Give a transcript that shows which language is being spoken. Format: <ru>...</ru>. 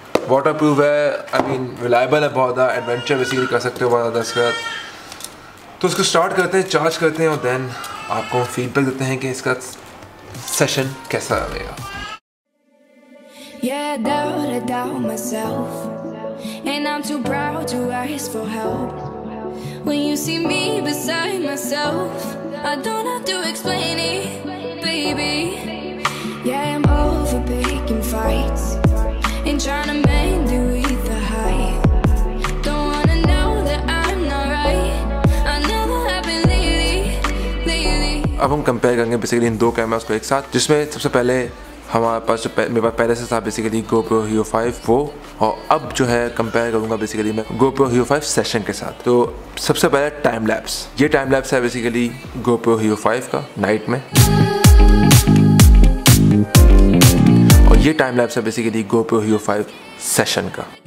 <hi>Water proof है, I mean reliable है बहुत ज़्यादा. एडवेंचर बेसिकली कर सकते हो बहुत ज़्यादा इसके साथ. तो उसको स्टार्ट करते हैं, चार्ज करते हैं और देन आपको फीडबैक देते हैं कि इसका सेशन कैसा रहेगा.</hi> <en>Yeah, I doubt myself, and I'm too proud to ask for help. When you see me beside myself, I don't have to explain it, baby. Yeah, I'm over picking fights and trying to mend it with the high. Don't wanna know that I'm not right. I never have been lately.</en> <hi>अब हम compare करेंगे basically इन दो cameras को एक साथ, जिसमें सबसे पहले हमारे पास जो मेरे पास पहले से था बेसिकली GoPro Hero 5 वो, और अब जो है कंपेयर करूँगा बेसिकली मैं GoPro Hero 5 सेशन के साथ. तो सबसे पहले टाइम लैप्स, ये टाइम लैप्स है बेसिकली GoPro Hero 5 का नाइट में, और ये टाइम लैप्स है बेसिकली GoPro Hero 5 सेशन का.</hi>